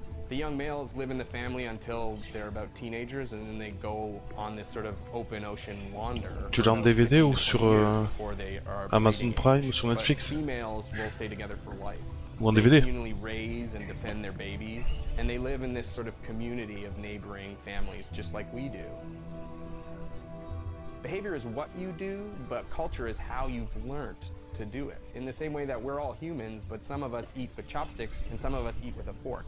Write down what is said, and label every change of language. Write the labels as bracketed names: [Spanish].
[English] The young males live in the family until they're about teenagers, and then they go on this sort of open ocean wander. [French] Tu l'as en DVD ou sur Amazon Prime ou sur Netflix? [English] Females will stay together for life. [French] Ou en DVD? [English] They communally raise and defend their babies, and they live in this sort of community of neighboring families, just like we do. Behavior is what you do, but culture is how you've learned to do it. In the same way that we're all humans, but some of us eat with chopsticks and some of us eat with a fork.